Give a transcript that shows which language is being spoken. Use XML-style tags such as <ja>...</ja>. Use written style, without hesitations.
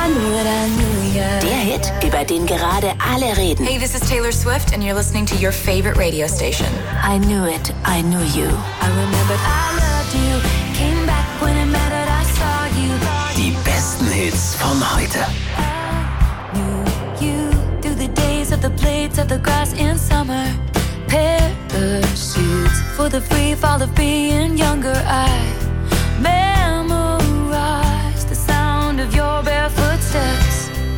<de>Der Hit, über den gerade alle reden.</de> <en>Hey, this is Taylor Swift and you're listening to your favorite radio station. I knew it, I knew you. I remembered I loved you. Came back when it mattered, I saw you.</en> <de>Die besten Hits von heute.</de> <en>I knew you through the days of the blades of the grass in summer. Parachutes for the free fall of being younger. I memorized the sound of your bare footsteps.</en>